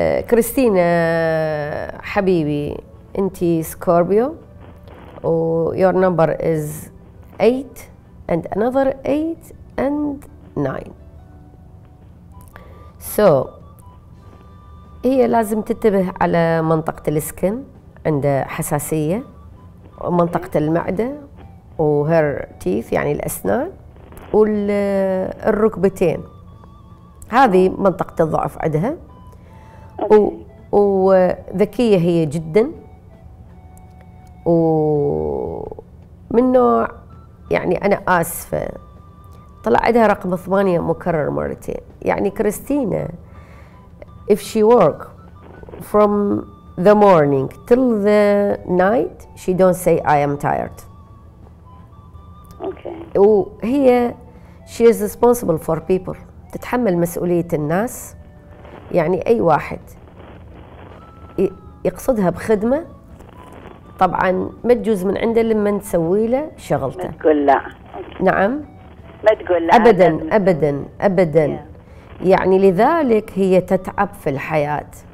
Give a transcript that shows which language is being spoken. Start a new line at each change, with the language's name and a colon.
Arabic: كريستينا حبيبي انتي سكوربيو و
English: your number is 8 and another 8 and 9 so
Arabic: هي لازم تنتبه على منطقة السكن عندها حساسية ومنطقة المعدة و
English: her teeth
Arabic: يعني الأسنان والركبتين هذه منطقة الضعف عندها
English: Okay.
Arabic: وذكية هي جدا، ومن نوع يعني أنا آسفة طلع عندها رقم 8 مكرر مرتين. يعني
English: كريستينا if she work from the morning till the night she don't say I am tired. Okay.
Arabic: وهي
English: she is responsible for people،
Arabic: تتحمل مسؤولية الناس. يعني أي واحد يقصدها بخدمة طبعا ما تجوز من عنده لما تسوي له شغلته. ما تقول لا. نعم ما تقول لا أبدا أبدا أبدا. يعني لذلك هي تتعب في الحياة.